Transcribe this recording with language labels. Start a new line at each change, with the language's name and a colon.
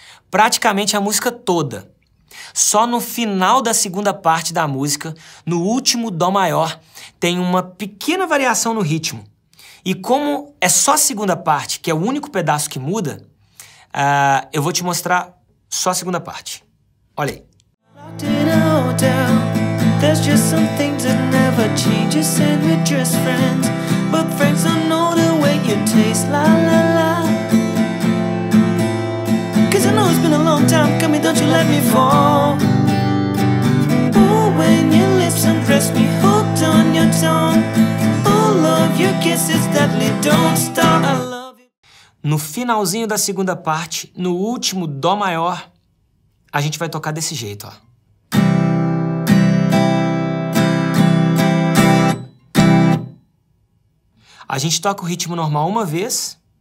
Portuguese: Praticamente a música toda. Só no final da segunda parte da música, no último Dó maior, tem uma pequena variação no ritmo. E como é só a segunda parte, que é o único pedaço que muda, eu vou te mostrar só a segunda parte. Olha aí.
English: There's just some things that never change. You said we're just friends, but friends don't know the way you taste. La la la. Cause I know it's been a long time coming, don't you let me fall. Oh, when you listen, press me hooked on your tongue. Oh, love your kisses deadly, don't stop.
Portuguese: No finalzinho da segunda parte, no último Dó maior, a gente vai tocar desse jeito, ó. A gente toca o ritmo normal uma vez.